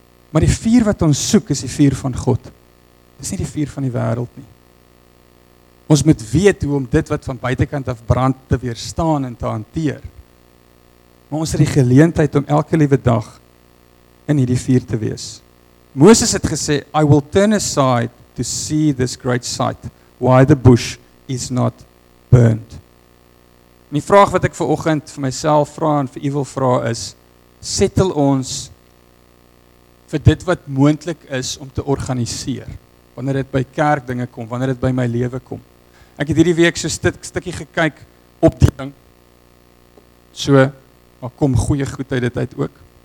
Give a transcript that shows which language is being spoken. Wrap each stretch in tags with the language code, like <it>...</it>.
<af>Maar die vuur wat ons soek, is die vuur van God. Dis nie die vuur van die wêreld nie. Ons moet weet hoe om dit wat van buitekant af brand te weerstaan en te hanteer. Maar ons het die geleentheid om elke liewe dag in hierdie vuur te wees. Moses het gesê,</af> <en>I will turn aside to see this great sight, why the bush is not burned.</en> <af>En die vraag wat ek vanoggend vir myself vra en vir u wil vra is, settle ons vir dit wat moontlik is om te organiseer. Wanneer dit by kerk dinge kom, wanneer dit by my lewe kom. Ek het hierdie week so stukkie gekyk op die ding. So, maar kom goeie goed uit dit uit ook.</af>